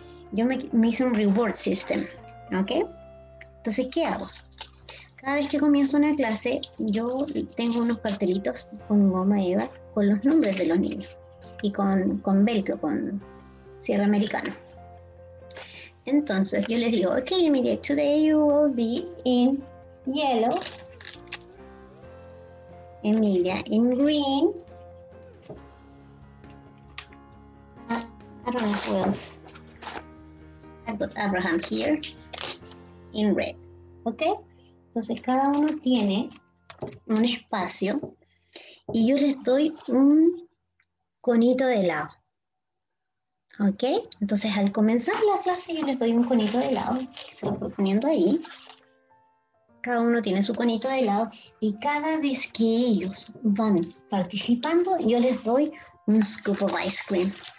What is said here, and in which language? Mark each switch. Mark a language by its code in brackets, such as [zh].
[es] Yo me hice un [en] reward system, [es] ¿ok? Entonces, ¿qué hago? Cada vez que comienzo una clase, yo tengo unos cartelitos con goma eva con los nombres de los niños y con velcro, con cierre americano. Entonces yo les digo, [en] ok, Emilia, today you will be in yellow, Emilia in green, Abraham Wells, I've got Abraham here in red, ok? [es] Entonces cada uno tiene un espacio y yo les doy un conito de helado. ¿Ok? Entonces al comenzar la clase yo les doy un conito de helado, que se lo estoy poniendo ahí. Cada uno tiene su conito de helado y cada vez que ellos van participando yo les doy un [en] scoop of ice cream.